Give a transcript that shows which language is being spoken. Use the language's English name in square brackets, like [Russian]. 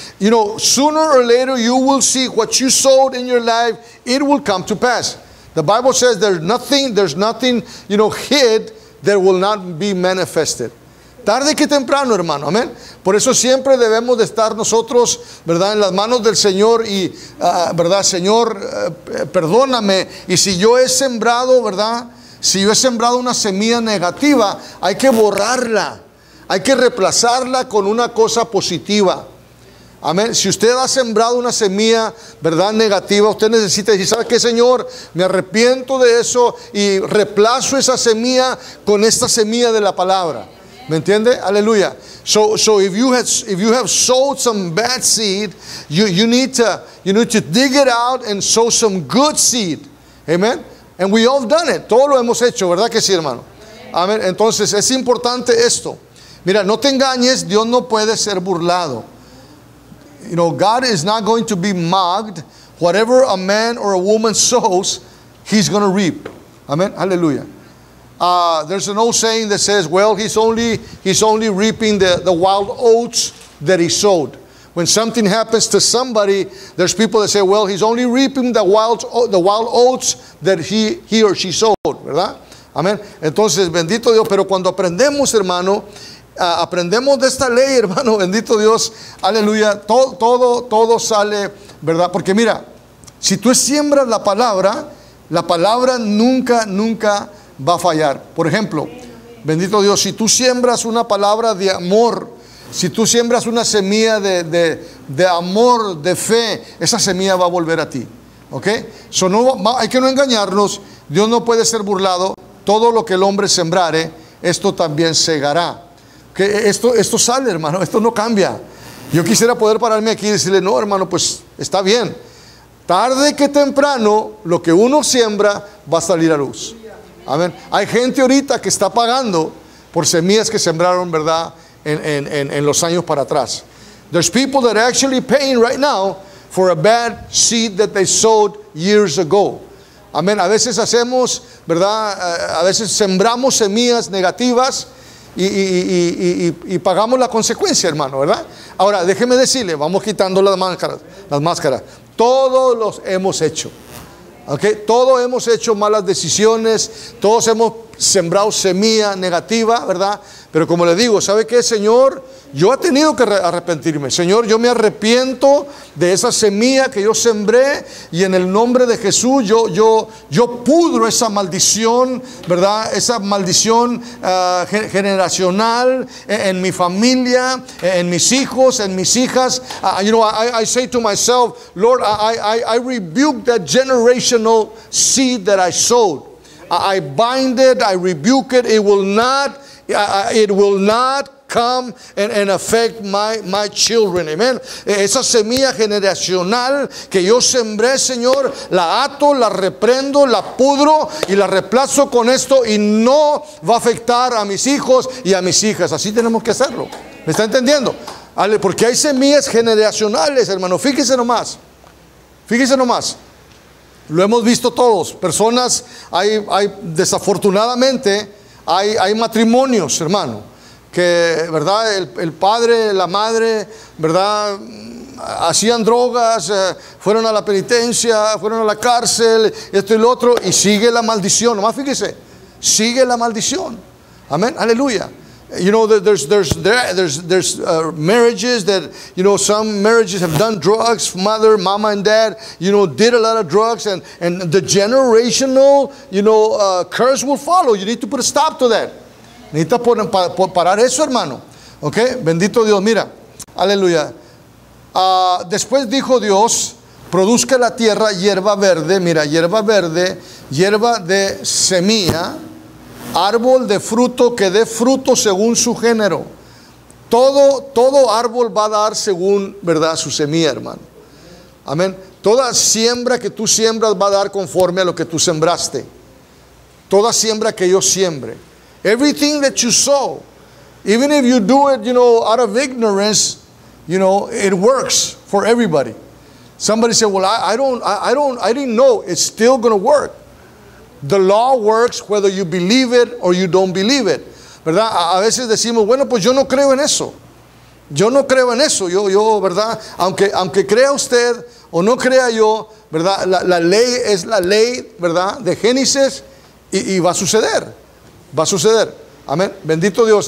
[English] You know, sooner or later you will see what you sowed in your life, it will come to pass. The Bible says there's nothing, you know, hid that will not be manifested. [Spanish] Tarde que temprano, hermano, amén. Por eso siempre debemos de estar nosotros, ¿verdad?, en las manos del Señor y, ¿verdad?, Señor, perdóname. Y si yo he sembrado, ¿verdad?, si yo he sembrado una semilla negativa, hay que borrarla, hay que reemplazarla con una cosa positiva. Amén. Si usted ha sembrado una semilla, ¿verdad?, negativa, usted necesita decir, ¿sabe qué, Señor? Me arrepiento de eso y reemplazo esa semilla con esta semilla de la palabra. ¿Me entiende? Aleluya. [English] So if you have sowed some bad seed, you need to dig it out and sow some good seed. Amén. And we all done it. [Spanish] Todo lo hemos hecho, ¿verdad que sí, hermano? Amén. Entonces, es importante esto. Mira, no te engañes, Dios no puede ser burlado. [English] You know, God is not going to be mocked. Whatever a man or a woman sows, he's going to reap. Amén. Aleluya. There's an old saying that says, well, he's only reaping the wild oats that he sowed. When something happens to somebody, there's people that say, well, he's only reaping the wild oats that he or she sowed, [Spanish] ¿verdad? Amén. Entonces, bendito Dios. Pero cuando aprendemos, hermano, aprendemos de esta ley, hermano, bendito Dios, aleluya, todo sale, ¿verdad? Porque mira, si tú siembras la palabra nunca, nunca va a fallar. Por ejemplo, bendito Dios, si tú siembras una palabra de amor, si tú siembras una semilla de amor, de fe, esa semilla va a volver a ti. ¿Ok? So no, hay que no engañarnos. Dios no puede ser burlado. Todo lo que el hombre sembrare, esto también segará. ¿Ok? Esto sale, hermano. Esto no cambia. Yo quisiera poder pararme aquí y decirle, no, hermano, pues está bien. Tarde que temprano, lo que uno siembra va a salir a luz. Amén. Hay gente ahorita que está pagando por semillas que sembraron, ¿verdad?, en los años para atrás. [English] There's people that are actually paying right now for a bad seed that they sowed years ago. [Spanish] Amén. A veces hacemos, ¿verdad?, a veces sembramos semillas negativas y pagamos la consecuencia, hermano, ¿verdad? Ahora, déjeme decirle, vamos quitando las máscaras. Todos los hemos hecho. Okay, todos hemos hecho malas decisiones, todos hemos sembrado semilla negativa, ¿verdad? Pero como le digo, ¿sabe qué, Señor? Yo he tenido que arrepentirme. Señor, yo me arrepiento de esa semilla que yo sembré, y en el nombre de Jesús yo pudro esa maldición, ¿verdad? Esa maldición generacional en mi familia, en mis hijos, en mis hijas. [English] You know, I say to myself, Lord, I rebuke that generational seed that I sowed. I bind it, I rebuke it. It will not come and affect my children. Amen. [Spanish] Esa semilla generacional que yo sembré, Señor, la ato, la reprendo, la pudro y la reemplazo con esto, y no va a afectar a mis hijos y a mis hijas. Así tenemos que hacerlo. ¿Me está entendiendo? Porque hay semillas generacionales, hermano. Fíjese nomás. Lo hemos visto todos. Personas, hay desafortunadamente, hay matrimonios, hermano, que, ¿verdad?, el padre, la madre, ¿verdad?, hacían drogas, fueron a la penitencia, fueron a la cárcel, esto y lo otro, y sigue la maldición. Nomás fíjese, sigue la maldición. Amén. Aleluya. [English] You know, there's marriages that, you know, some marriages have done drugs. Mother, mama and dad, you know, did a lot of drugs, and the generational, you know, curse will follow. You need to put a stop to that. [Spanish] Necesitas parar eso, hermano. Okay, bendito Dios. Mira, aleluya. Después dijo Dios, produzca la tierra hierba verde. Mira, hierba verde, hierba de semilla, árbol de fruto que dé fruto según su género. Todo árbol va a dar según, ¿verdad?, su semilla, hermano. Amén. Toda siembra que tú siembras va a dar conforme a lo que tú sembraste. Toda siembra que yo siembre. [English] Everything that you sow, even if you do it, you know, out of ignorance, you know, it works for everybody. Somebody said, "Well, I didn't know." It's still going to work. The law works whether you believe it or you don't believe it. [Spanish] ¿Verdad? A veces decimos, bueno, pues yo no creo en eso. Yo no creo en eso. Yo, ¿verdad? Aunque crea usted o no crea yo, ¿verdad? La ley es la ley, ¿verdad?, de Génesis, y va a suceder. Va a suceder. Amén. Bendito Dios.